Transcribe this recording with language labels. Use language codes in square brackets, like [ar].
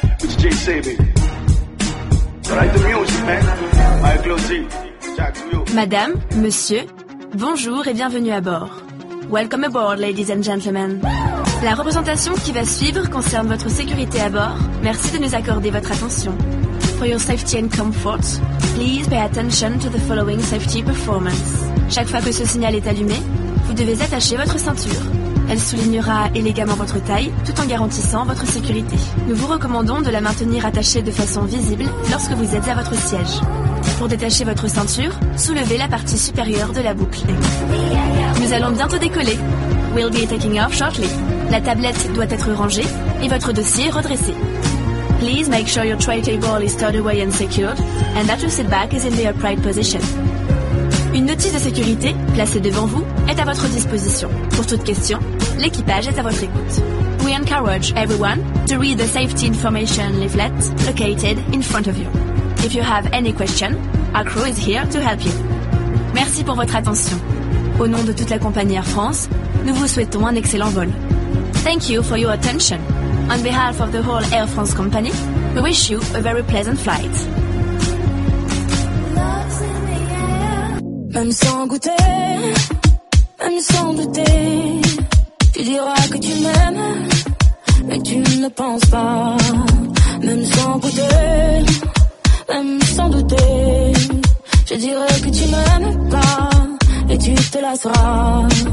[en] Which is Jay Sabi. Right to music, man. My closing. Jack, to you. [fr] Madame, monsieur, bonjour et bienvenue à bord. [en] Welcome aboard, ladies and gentlemen. [fr] La représentation qui va suivre concerne votre sécurité à bord. Merci de nous accorder votre attention. [en] For your safety and comfort, please pay attention to the following safety performance. [fr] Chaque fois que ce signal est allumé, vous devez attacher votre ceinture. Elle soulignera élégamment votre taille tout en garantissant votre sécurité. Nous vous recommandons de la maintenir attachée de façon visible lorsque vous êtes à votre siège. Pour détacher votre ceinture, soulevez la partie supérieure de la boucle. Nous allons bientôt décoller. [en] We'll be taking off shortly. [fr] La tablette doit être rangée et votre dossier redressé. [en] Please make sure your tray table is stored away and secured, and that your seat back is in the upright position. [fr] Une notice de sécurité, placée devant vous, est à votre disposition. Pour toute question, l'équipage est à votre écoute. [en] We encourage everyone to read the safety information leaflet located in front of you. If you have any question, our crew is here to help you. [fr] Merci pour votre attention. Au nom de toute la compagnie Air France, nous vous souhaitons un excellent vol. [en] Thank you for your attention. On behalf of the whole Air France company, we wish you a very pleasant flight. [fr] Même sans goûter, même sans douter, tu diras que tu m'aimes, mais tu ne penses pas. Même sans goûter, même sans douter, je dirai que tu m'aimes pas, et tu te lasseras.